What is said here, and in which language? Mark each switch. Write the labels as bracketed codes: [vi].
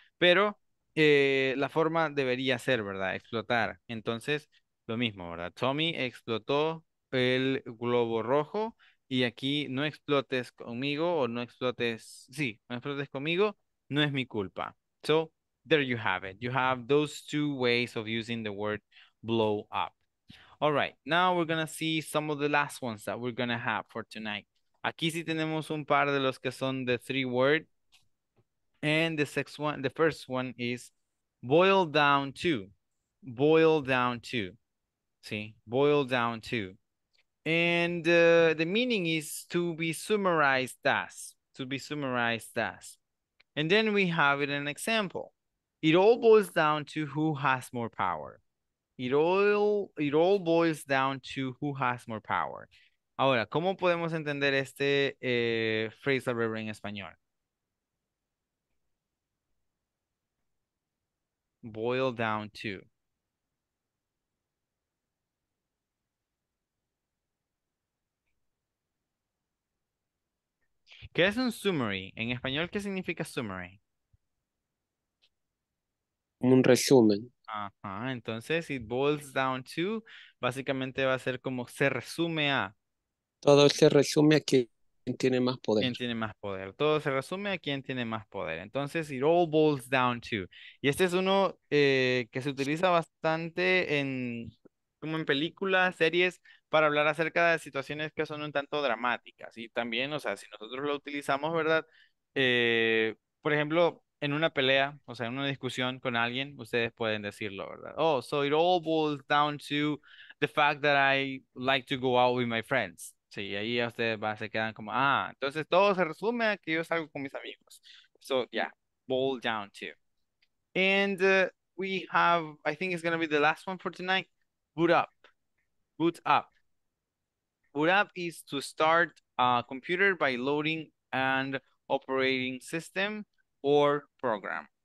[es] Pero la forma debería ser, ¿verdad? Explotar. Entonces, lo mismo, ¿verdad? Tommy explotó el globo rojo y aquí no explotes conmigo o no explotes, sí, no explotes conmigo, no es mi culpa. [en] So, there you have it. You have those two ways of using the word blow up. All right, now we're going to see some of the last ones that we're going to have for tonight. [es] Aquí sí tenemos un par de los que son [en] the three word. And the sixth one, the first one is boil down to. Boil down to. See, boil down to. And the meaning is to be summarized as. To be summarized as. And then we have it an example. It all boils down to who has more power. It all boils down to who has more power. [es] Ahora, ¿cómo podemos entender este phrasal verb en español? [en] Boil down to. [es] ¿Qué es un summary? En español, ¿qué significa summary? Un resumen. Ajá, entonces [en] it boils down to, [es] básicamente va a ser como se resume a. Todo se resume a quien tiene más poder. Quien tiene más poder. Todo se resume a quien tiene más poder. Entonces [en] it all boils down to. [es] Y este es uno que se utiliza bastante en, como en películas, series, para hablar acerca de situaciones que son un tanto dramáticas. Y también, o sea, si nosotros lo utilizamos, ¿verdad? Por ejemplo, en una pelea, o sea, en una discusión con alguien, ustedes pueden decirlo, ¿verdad? [en] Oh, so it all boils down to the fact that I like to go out with my friends. [es] Sí, ahí ustedes se quedan como, entonces todo se resume a que yo salgo con mis amigos. [en] So, yeah, boil down to. And we have, I think it's going to be the last one for tonight, boot up. Boot up. Boot up is to start a computer by loading an operating system or program.